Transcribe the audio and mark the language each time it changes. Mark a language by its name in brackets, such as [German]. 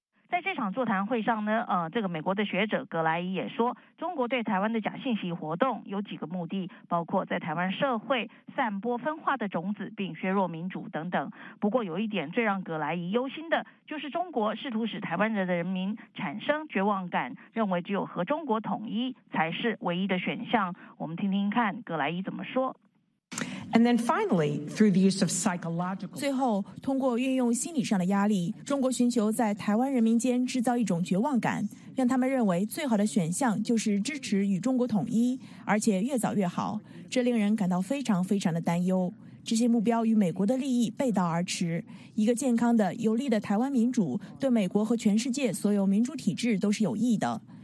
[Chinese] 在这场座谈会上呢，这个美国的学者格莱伊也说，中国对台湾的假信息活动有几个目的，包括在台湾社会散播分化的种子并削弱民主等等。不过有一点最让格莱伊忧心的，就是中国试图使台湾的人民产生绝望感，认为只有和中国统一才是唯一的选项。我们听听看格莱伊怎么说。 [English] And then finally, through the use of psychological. [Chinese] 最后，通过运用心理上的压力，中国寻求在台湾人民间制造一种绝望感，让他们认为最好的选项就是支持与中国统一，而且越早越好。这令人感到非常非常的担忧。这些目标与美国的利益背道而驰。一个健康的、有力的台湾民主，对美国和全世界所有民主体制都是有益的。